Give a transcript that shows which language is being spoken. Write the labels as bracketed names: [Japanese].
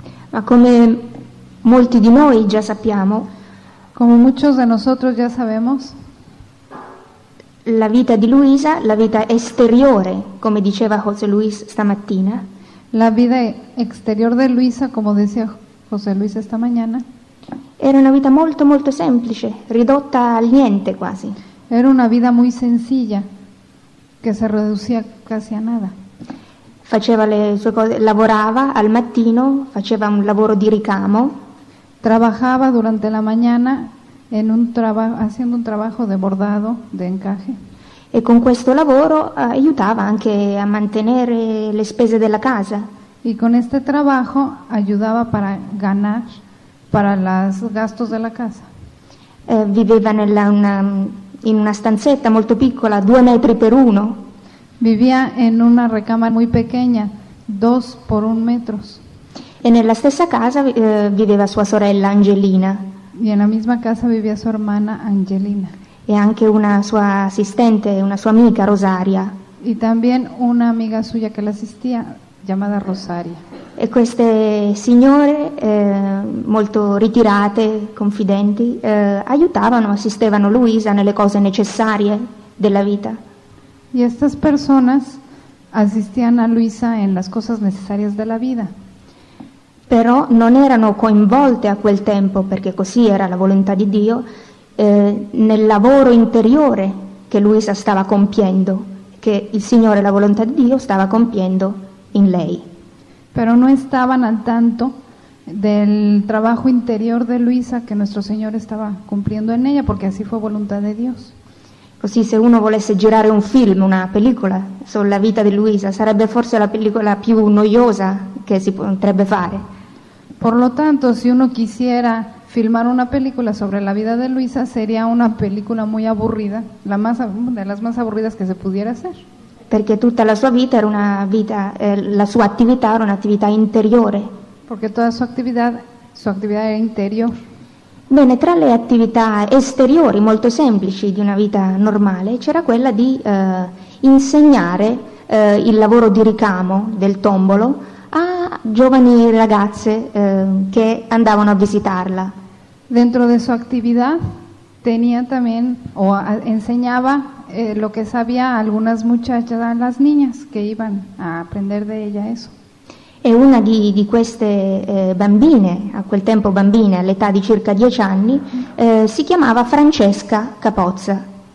[Italian] Ma come molti di noi già sappiamo, [Spanish] come muchos de nosotros ya sabemos, [Italian] la vita di Luisa, la vita esteriore, come diceva José Luis stamattina, [Spanish] la vita exterior de Luisa, [Italian] come diceva [Spanish] José Luis esta mañana, [Italian] era una vita molto molto semplice, ridotta al niente quasi. [Spanish] Era una vita muy sencilla que se reducía casi a nada. [Italian] Faceva le sue cose, lavorava al mattino, faceva un lavoro di ricamo. [Spanish] Trabajaba durante la mañana en un haciendo un trabajo de bordado, de encaje. [Italian] E con questo lavoro aiutava anche a mantenere le spese della casa. [Spanish] Y con este trabajo ayudaba para ganar para los gastos de la casa. [Italian] Viveva in una stanzetta molto piccola, 2 metri per 1. [Spanish] Vivía en una recámara muy pequeña, 2 por 1 metro. Y en la misma casa vivía su sorella Angelina. Y en la misma casa vivía su hermana Angelina. Y anche una su asistente, una su amiga Rosaria. Y también una amiga suya que la asistía, llamada Rosaria. [Italian] E queste signore molto ritirate, confidenti, aiutavano, assistevano Luisa nelle cose necessarie della vita. [Spanish] Y estas personas asistían a Luisa en las cosas necesarias de la vida. Pero no eran [Italian] coinvolte a quel tempo, [Spanish] porque así era la voluntad de Dios, en el trabajo interior que Luisa estaba compiendo, que el Señor, la voluntad de Dios, estaba compiendo en ella. Pero no estaban al tanto del trabajo interior de Luisa que nuestro Señor estaba cumpliendo en ella, porque así fue voluntad de Dios. [Italian] Così, se uno volesse girare un film, una pellicola sulla vita di Luisa, sarebbe forse la pellicola più noiosa che si potrebbe fare. [Spanish] Por lo tanto, se uno quisiera filmar una película sobre la vida de Luisa sería una película muy aburrida, la más de las más aburridas que se pudiera hacer. [Italian] Perché tutta la sua vita era una vita, la sua attività era un'attività interiore. Perché tutta su attività era interior. Bene, tra le attività esteriori, molto semplici, di una vita normale, c'era quella di insegnare il lavoro di ricamo del tombolo a giovani ragazze che andavano a visitarla. [Spanish] Dentro de su attività tenía también, o enseñaba, lo que sabía a algunas muchachas, a las niñas que iban a aprender de ella eso. [Italian] E una di queste bambine, a quel tempo bambine, all'età di circa 10 anni, si chiamava Francesca Capozza.